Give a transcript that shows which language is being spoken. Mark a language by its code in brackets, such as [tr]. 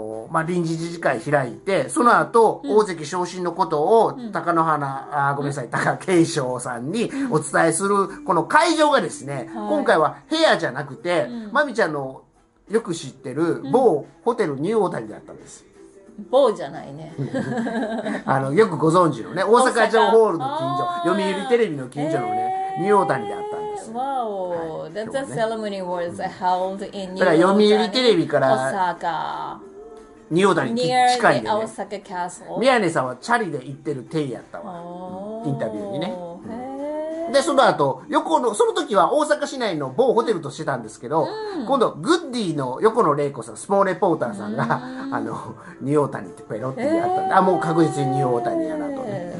[ja] まあ、臨時理事会開いて、その後大関昇進のことを貴乃花、うん、あ、ごめんなさい、貴景勝さんにお伝えするこの会場がですね、はい、今回は部屋じゃなくて、うん、マミちゃんのよく知ってる某ホテルニューオータニだったんです。某じゃないね。よくご存知のね、大阪城ホールの近所、読売テレビの近所のね、ニューオータニであったんです。わお、はい、 [en] That's a ceremony was held in New Otani。 [ja] だから読売テレビから大阪、ニューオータニ近いんでね。 [en] Near the Osaka Castle。 [ja] 宮根さんはチャリで行ってる体やったわ。 [en] Oh. [ja] インタビューにね。へー。でその後横の、その時は大阪市内の某ホテルとしてたんですけど、うん、今度グッディの横野玲子さん、スポーレポーターさんが、うん、ニューオータニってペロってやったんで、あ、もう確実にニューオータニやなとね。